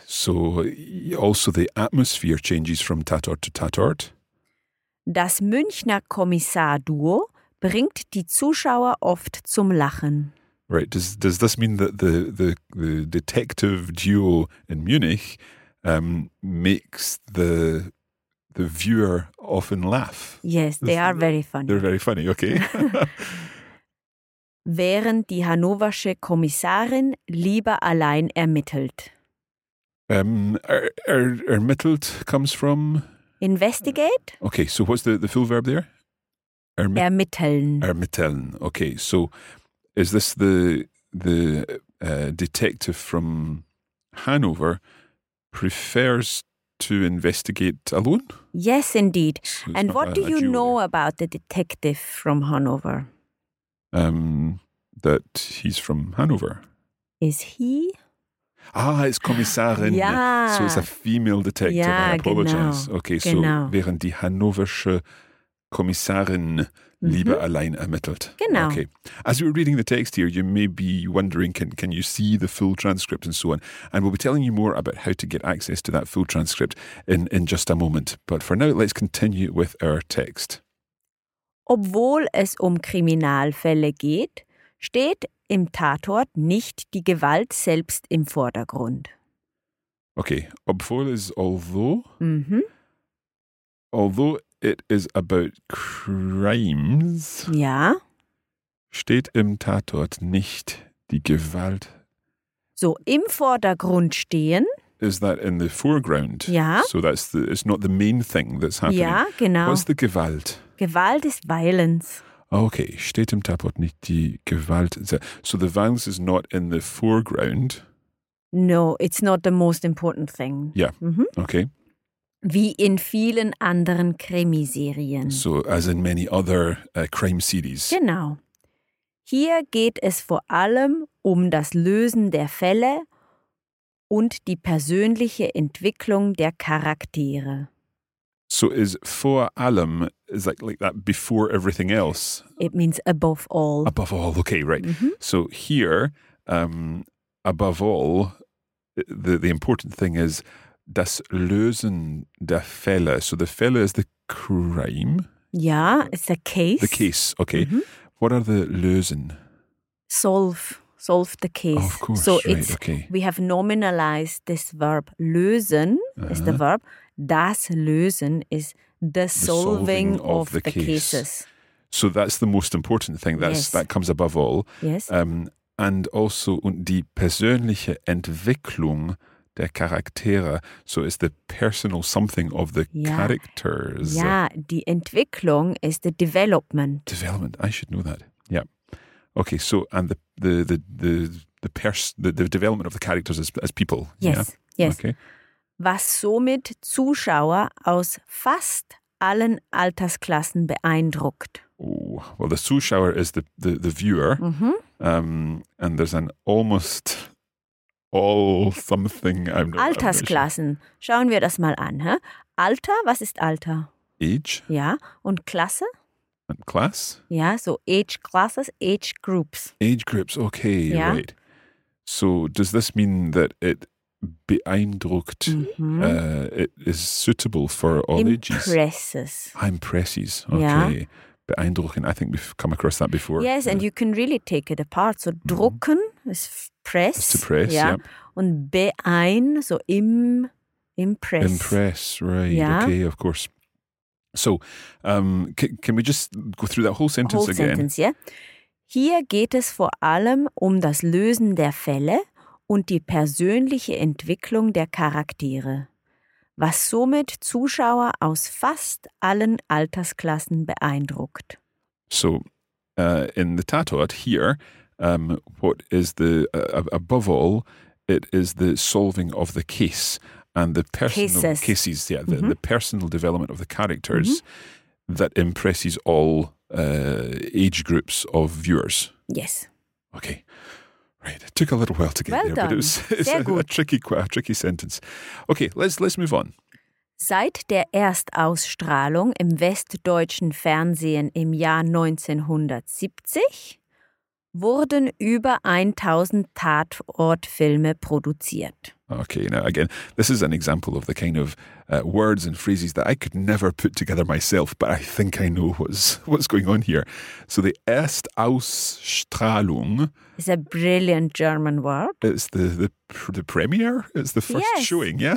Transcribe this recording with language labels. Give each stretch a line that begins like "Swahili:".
English: So also the atmosphere changes from Tatort to Tatort.
German: Das Münchner Kommissar-Duo bringt die Zuschauer oft zum Lachen.
English: Right. Does this mean that the detective duo in Munich makes the viewer often laugh? Yes, they are very funny. They're very funny, okay.
German: Während die hannoversche Kommissarin lieber allein ermittelt.
English: Ermittelt comes from? Investigate. Okay, so what's the full verb there?
German: Ermitteln. Ermitteln, okay.
English: So is this the detective from Hanover prefers to investigate alone? Yes, indeed. So and what do you know about the detective from Hanover? That he's from Hanover. Is he? Ah, it's Kommissarin. Yeah. So it's a female detective. Yeah, I apologize.
German: Genau.
English: Okay,
German: genau. So während die Hannoversche Kommissarin, mm-hmm, lieber allein ermittelt. Genau.
English: Okay. As we're reading the text here, you may be wondering, can you see the full transcript and so on? And we'll be telling you more about how to get access to that full transcript in just a moment. But for now, let's continue with our text.
German: Obwohl es Kriminalfälle geht, steht im Tatort nicht die Gewalt selbst im Vordergrund.
English: Okay.
German: Obwohl es
English: although? Mm-hmm. Although it is about crimes.
German: Ja. Steht im Tatort nicht die Gewalt. So, im Vordergrund stehen.
English: Is that in the foreground?
German: Ja.
English: So that's it's not the main thing that's happening.
German: Ja, genau.
English: What's the Gewalt? Gewalt is violence.
German: Okay, steht im Tatort nicht die Gewalt.
English: So the violence is not in the foreground. No, it's not the most important thing. Yeah, mm-hmm. Okay.
German: Wie in vielen anderen Krimiserien.
English: So, as in many other crime series.
German: Genau. Hier geht es vor allem das Lösen der Fälle und die persönliche Entwicklung der Charaktere.
English: So, is vor allem, is like that before everything else? It means above all. Above all, okay, right. Mm-hmm. So, here, above all, the important thing is
German: das Lösen der Fälle.
English: So the Fälle is the crime. Yeah, it's a case. The case, okay. Mm-hmm. What are the Lösen? Solve the case. Oh, of course, so right, it's, okay. We have nominalized this verb. Lösen, uh-huh, is the verb. Das Lösen is the solving of the cases. So that's the most important thing. That's, yes. That comes above all. Yes. And also,
German: und die persönliche Entwicklung der Charaktere,
English: so is the personal something of the, yeah, characters. Yeah, die Entwicklung is the development. Development, I should know that. Yeah. Okay, so and the development of the characters as people. Yes, yeah? Yes. Okay.
German: Was somit Zuschauer aus fast allen Altersklassen beeindruckt.
English: Oh, well, the Zuschauer is the viewer. Mm-hmm. And there's an almost all something. I'm not,
German: Altersklassen.
English: I'm not sure.
German: Schauen wir das mal an. Huh? Alter, was ist Alter?
English: Age.
German: Ja, und Klasse?
English: And class? Ja, so age classes, age groups. Age groups, okay,
German: ja.
English: Right. So does this mean that it beeindruckt, mm-hmm, it is suitable for all ages? Impresses. Impresses, okay.
German: Ja.
English: Beeindrucken, I think we've come across that before. Yes, and you can really take it apart. So drucken, mm-hmm, is press. To press, yeah. Yep.
German: Und beein,
English: so impress. Impress, right,
German: ja.
English: Okay, of course. So, can we just go through that whole sentence again? Whole sentence, yeah.
German: Hier geht es vor allem um das Lösen der Fälle und die persönliche Entwicklung der Charaktere, was somit Zuschauer aus fast allen Altersklassen beeindruckt.
English: So, in the Tatort here, what is the, above all, it is the solving of the case and the personal cases, yeah, the, the personal development of the characters that impresses all age groups of viewers. Yes. Okay. Right. It took a little while to get well there, done. But it was it's a tricky sentence. Okay, let's move on.
German: Seit der Erstausstrahlung im westdeutschen Fernsehen im Jahr 1970 wurden über 1000 Tatortfilme produziert.
English: Okay, now again, this is an example of the kind of words and phrases that I could never put together myself, but I think I know what's going on here. So the Erstausstrahlung is a brilliant German word. It's the premiere? It's the first showing, yeah?